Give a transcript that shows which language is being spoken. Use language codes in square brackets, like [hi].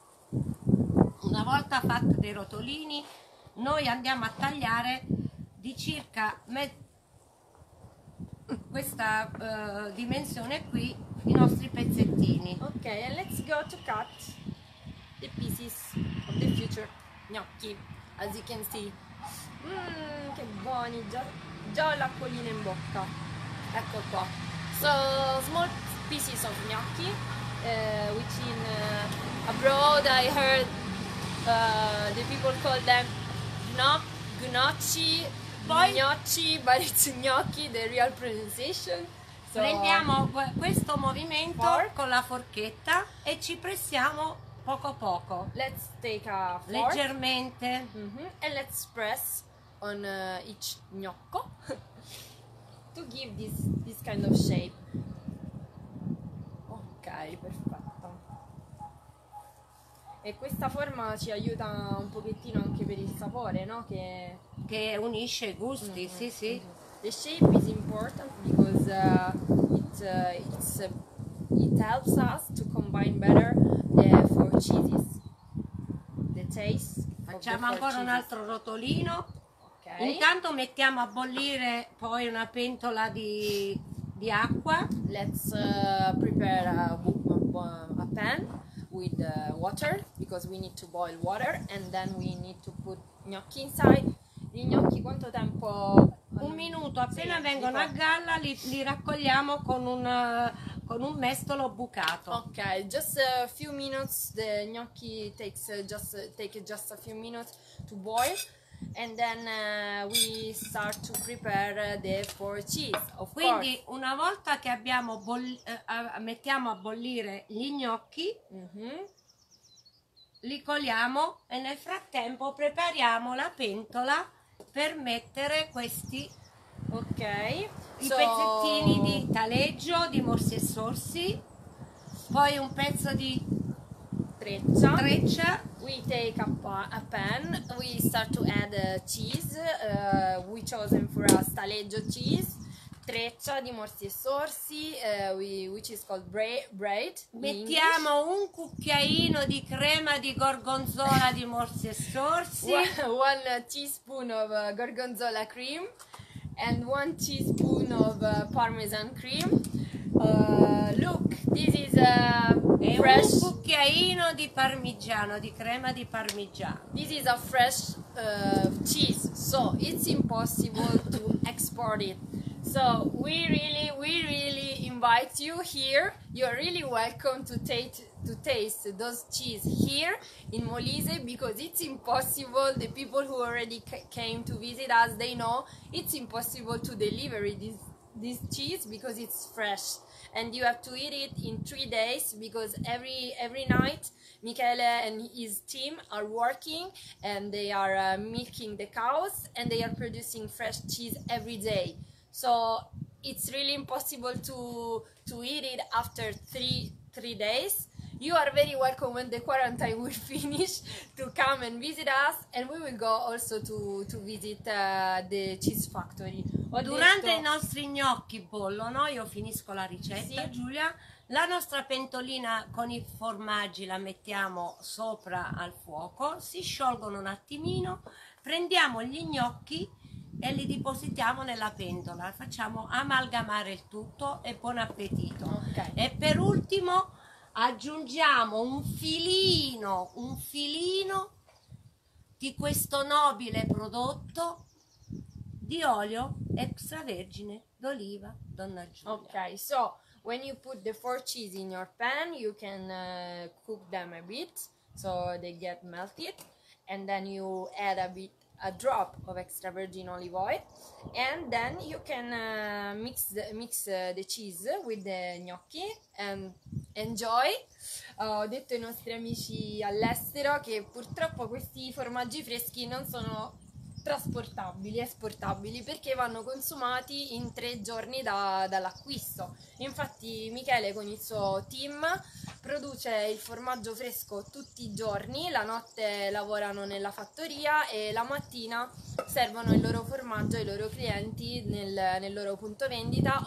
[it] Una volta fatti dei rotolini, noi andiamo a tagliare di circa questa dimensione qui i nostri pezzettini. [en] Ok, and let's go to cut the pieces of the future gnocchi, as you can see. [it] Che buoni, già l'acquolina in bocca. Ecco qua. [en] So, small pieces of gnocchi, which in abroad I heard the people call them gnocchi, but it's gnocchi, the real pronunciation. [it] So, prendiamo questo movimento con la forchetta e ci pressiamo poco poco. [en] Let's take a fork. [it] Leggermente. Mm-hmm. [en] And let's press on each gnocco to give this kind of shape. [it] Ok, perfetto. E questa forma ci aiuta un pochettino anche per il sapore, no? Che unisce i gusti, mm-hmm. Sì. [en] The shape is important because it helps us to combine better the four cheeses. The taste. [it] Facciamo ancora [en] cheeses. [it] Un altro rotolino. Okay. Intanto mettiamo a bollire poi una pentola di acqua. [en] Let's prepare a pan with water, because we need to boil water and then we need to put gnocchi inside. [it] I gnocchi quanto tempo? Un minuto, appena sì, vengono a galla li raccogliamo con un mestolo bucato. [en] Ok, just a few minutes, the gnocchi take just a few minutes to boil and then we start to prepare the four cheese, of [it] quindi [en] course. [it] Una volta che abbiamo mettiamo a bollire gli gnocchi, mm-hmm. Li coliamo e nel frattempo prepariamo la pentola per mettere questi, ok, i pezzettini di taleggio, di morsi e sorsi, poi un pezzo di treccia. [en] We take a pan, we start to add cheese, we chosen for us taleggio cheese, treccia di morsi e sorsi, which is called braid. [it] Mettiamo un cucchiaino di crema di gorgonzola di morsi e sorsi. [en] One teaspoon of gorgonzola cream and one teaspoon of parmesan cream. Look, this is fresh. [it] Un cucchiaino di parmigiano, di crema di parmigiano. [en] This is a fresh cheese, so it's impossible to export it. So we really invite you here. You're really welcome to taste those cheese here in Molise because it's impossible. The people who already came to visit us, they know it's impossible to deliver this cheese because it's fresh. And you have to eat it in 3 days because every night Michele and his team are working and they are milking the cows and they are producing fresh cheese every day. So it's really impossible to eat it after three days. You are very welcome when the quarantine will finish to come and visit us and we will go also to visit the cheese factory. [it] Durante i nostri gnocchi bollo, no? Io finisco la ricetta, sì. Giulia, la nostra pentolina con i formaggi la mettiamo sopra al fuoco, si sciolgono un attimino, prendiamo gli gnocchi e li depositiamo nella pentola, facciamo amalgamare il tutto e buon appetito. [en] Okay. [it] E per ultimo aggiungiamo un filino di questo nobile prodotto di olio extravergine d'oliva, donna Giulia. [en] Ok, so when you put the four cheese in your pan, you can cook them a bit so they get melted, and then you add a drop of extravergine olive oil, and then you can mix the cheese with the gnocchi and enjoy. [it] Ho detto ai nostri amici all'estero che purtroppo questi formaggi freschi non sono trasportabili, esportabili, perché vanno consumati in 3 giorni dall'acquisto. Infatti Michele con il suo team produce il formaggio fresco tutti i giorni, la notte lavorano nella fattoria e la mattina servono il loro formaggio ai loro clienti nel loro punto vendita.